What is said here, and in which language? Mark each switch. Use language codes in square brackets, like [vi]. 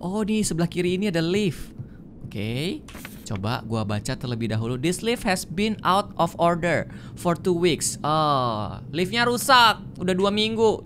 [id] Oh, di sebelah kiri ini ada lift. Oke. Coba gua baca terlebih dahulu. [en] This lift has been out of order for 2 weeks. [id] Liftnya rusak udah 2 minggu.